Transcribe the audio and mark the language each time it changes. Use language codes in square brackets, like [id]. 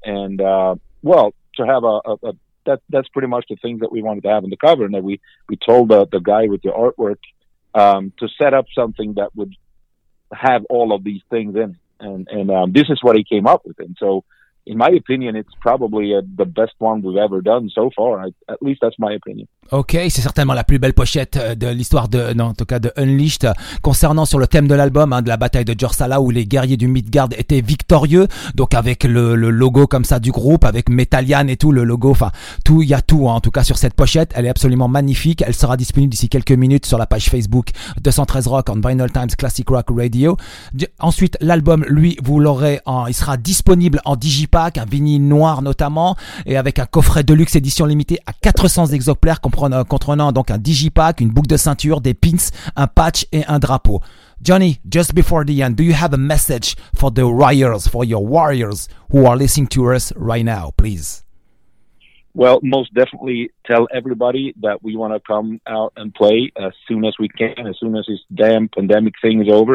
[en] And well, to have that's pretty much the things that we wanted to have in the cover, and that we told the guy with the artwork to set up something that would have all of these things in, and this is what he came up with. And so in my opinion, it's probably the best one we've ever done so far. At least that's my opinion. [fr] Ok, c'est certainement la plus belle pochette de l'histoire de, non, en tout cas de Unleashed. Concernant sur le thème de l'album, hein, de la bataille de Jorsala où les guerriers du Midgard étaient victorieux, donc avec le logo comme ça du groupe, avec Metallian et tout, le logo, enfin, tout, il y a tout, hein, en tout cas sur cette pochette. Elle est absolument magnifique. Elle sera disponible d'ici quelques minutes sur la page Facebook 213 Rock on Vinyl Times Classic Rock Radio. Ensuite, l'album, lui, vous l'aurez en, il sera disponible en digipack, un vinyle noir notamment, et avec un coffret de luxe édition limitée à 400 exemplaires, contenant donc un digipack, une boucle de ceinture, des pins, un patch et un drapeau. [en] Johnny, just before the end, do you have a message for the warriors, for your warriors who are listening to us right now, please? Well, most definitely tell everybody that we want to come out and play as soon as we can, as soon as this damn pandemic thing is over.